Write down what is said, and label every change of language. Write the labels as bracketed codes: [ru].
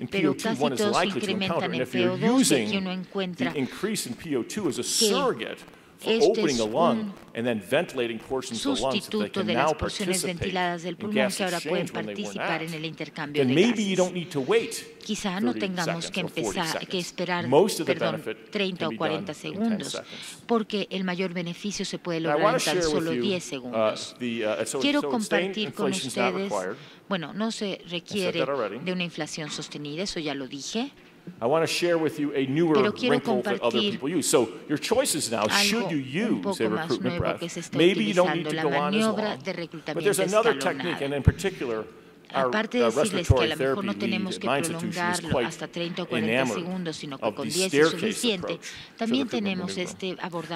[en] in PO2 one is likely to encounter, and if you're using the increase in PO2 as a surrogate, for opening the lung and then ventilating portions of the lungs so they can now participate in gas exchange when they were not, then maybe you don't need to wait 30 seconds or 40 seconds. Most of the benefit can be done in 10 seconds. [es] Porque el mayor beneficio se puede lograr en tan solo 10 segundos. Quiero compartir con ustedes, bueno, no se requiere de una inflación sostenida, eso ya lo dije. [en] I want to share with you a newer wrinkle that other people use. So your choices now, should you use a recruitment breath? Maybe you don't need to go on as long. But there's another technique, and in particular, our respiratory therapy lead at my institution is quite enamored of the staircase approach.